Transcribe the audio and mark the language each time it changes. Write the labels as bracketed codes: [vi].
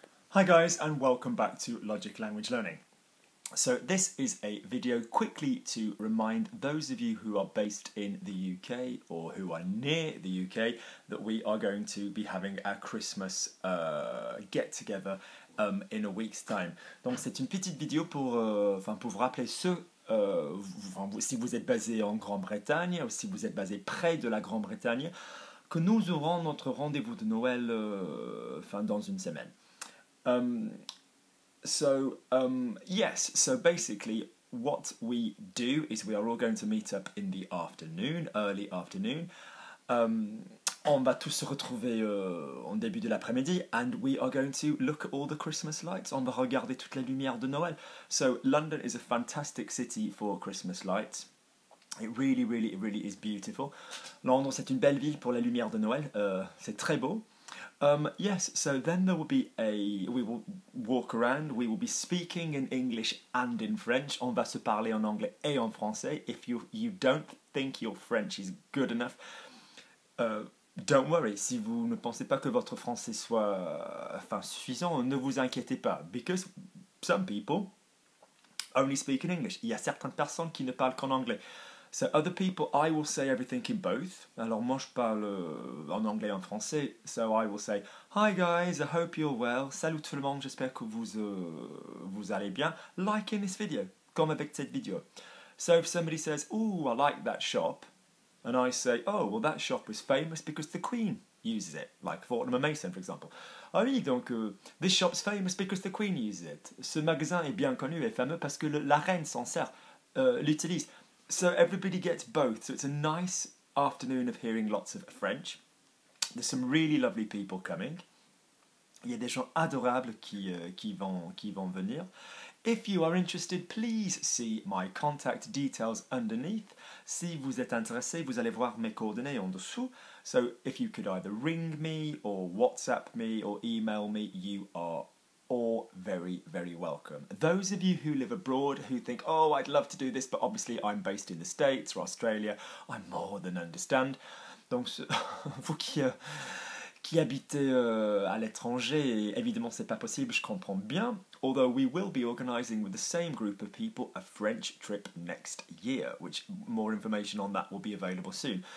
[en] Hi guys, and welcome back to Logic Language Learning. So this is a video quickly to remind those of you who are based in the UK or who are near the UK that we are going to be having our Christmas get-together in a week's time. [fr] Donc c'est une petite vidéo pour vous rappeler ceux si vous êtes basé en Grande-Bretagne ou si vous êtes basé près de la Grande-Bretagne que nous aurons notre rendez-vous de Noël dans une semaine. [en] So basically what we do is we are all going to meet up in the afternoon, early afternoon. [fr] On va tous se retrouver en début de l'après-midi, [en] and we are going to look at all the Christmas lights. [fr] On va regarder toutes les lumières de Noël. [en] So London is a fantastic city for Christmas lights. It really, really, really is beautiful. [fr] Londres, c'est une belle ville pour les lumières de Noël. C'est très beau. [en] Yes, so then there will be we will walk around, we will be speaking in English and in French. [fr] On va se parler en anglais et en français. [en] If you don't think your French is good enough, don't worry. [fr] Si vous ne pensez pas que votre français soit suffisant, ne vous inquiétez pas. [en] Because some people only speak in English. [fr] Il y a certaines personnes qui ne parlent qu'en anglais. [en] So other people, I will say everything in both. [fr] Alors moi je parle en anglais et en français. [en] So I will say, hi guys, I hope you're well. [fr] Salut tout le monde, j'espère que vous allez bien. [en] Like in this video, [fr] comme avec cette vidéo. [en] So if somebody says, oh, I like that shop. And I say, oh, well that shop was famous because the Queen uses it. Like Fortnum & Mason, for example. [fr] Ah oui, donc, [en] this shop's famous because the Queen uses it. [fr] Ce magasin est bien connu et fameux parce que la reine s'en sert, l'utilise. [en] So everybody gets both. So it's a nice afternoon of hearing lots of French. There's some really lovely people coming. [fr] Il y a des gens adorables qui vont venir. [en] If you are interested, please see my contact details underneath. [fr] Si vous êtes intéressé, vous allez voir mes coordonnées en dessous. [en] So if you could either ring me or WhatsApp me or email me, you are all very, very welcome. Those of you who live abroad who think, oh, I'd love to do this, but obviously I'm based in the States or Australia, I more than understand. [fr] Donc, vous qui habitez à l'étranger, évidemment, c'est pas possible, je comprends bien. [en] Although we will be organising with the same group of people a French trip next year, which more information on that will be available soon.